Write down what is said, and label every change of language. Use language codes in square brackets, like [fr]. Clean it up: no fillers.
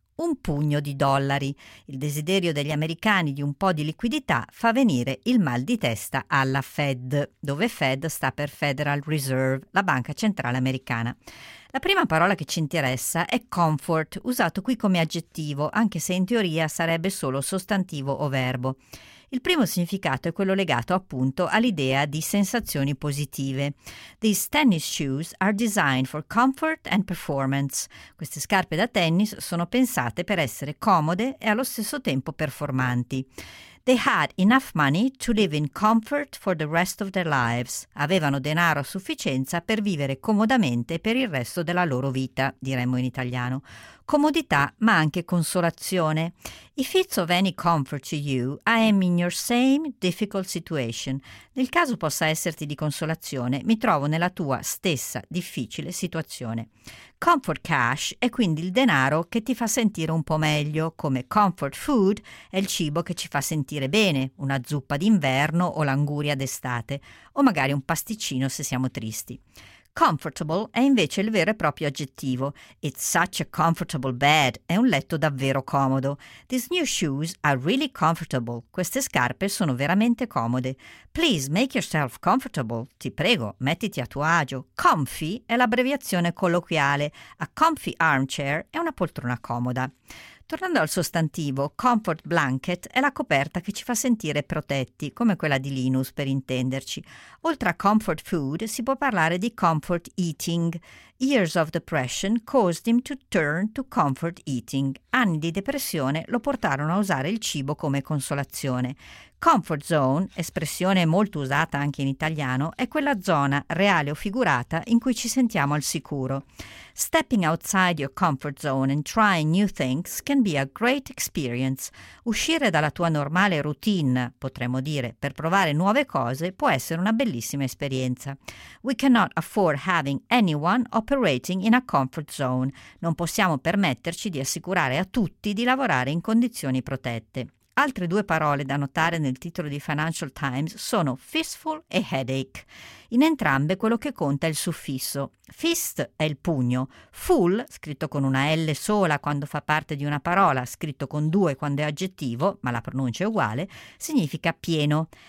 [it] Un pugno di dollari. Il desiderio degli americani di un po' di liquidità fa venire il mal di testa alla Fed, dove Fed sta per Federal Reserve, la banca centrale americana. La prima parola che ci interessa è comfort, usato qui come aggettivo, anche se in teoria sarebbe solo sostantivo o verbo. Il primo significato è quello legato appunto all'idea di sensazioni positive. [en] These tennis shoes are designed for comfort and performance. [it] Queste scarpe da tennis sono pensate per essere comode e allo stesso tempo performanti. [en] They had enough money to live in comfort for the rest of their lives. [it] Avevano denaro a sufficienza per vivere comodamente per il resto della loro vita, diremmo in italiano. Comodità, ma anche consolazione. [en] If it's of any comfort to you, I am in your same difficult situation. [it] Nel caso possa esserti di consolazione, mi trovo nella tua stessa difficile situazione. Comfort cash è quindi il denaro che ti fa sentire un po' meglio, come comfort food è il cibo che ci fa sentire bene, una zuppa d'inverno o l'anguria d'estate, o magari un pasticcino se siamo tristi. Comfortable è invece il vero e proprio aggettivo. [en] It's such a comfortable bed. [it] È un letto davvero comodo. [en] These new shoes are really comfortable. [it] Queste scarpe sono veramente comode. [en] Please make yourself comfortable. [it] Ti prego, mettiti a tuo agio. Comfy è l'abbreviazione colloquiale. [en] A comfy armchair [it] è una poltrona comoda. Tornando al sostantivo, comfort blanket è la coperta che ci fa sentire protetti, come quella di Linus per intenderci. Oltre a comfort food, si può parlare di comfort eating. [en] Years of depression caused him to turn to comfort eating. [it] Anni di depressione lo portarono a usare il cibo come consolazione. Comfort zone, espressione molto usata anche in italiano, è quella zona, reale o figurata, in cui ci sentiamo al sicuro. [en] Stepping outside your comfort zone and trying new things can be a great experience. [it] Uscire dalla tua normale routine, potremmo dire, per provare nuove cose, può essere una bellissima esperienza. [en] We cannot afford having anyone operating in a comfort zone. [it] Non possiamo permetterci di assicurare a tutti di lavorare in condizioni protette. Altre due parole da notare nel titolo di Financial Times sono fistful e headache. In entrambe quello che conta è il suffisso. Fist è il pugno, full, scritto con una L sola quando fa parte di una parola, scritto con due quando è aggettivo, ma la pronuncia è uguale, significa pieno.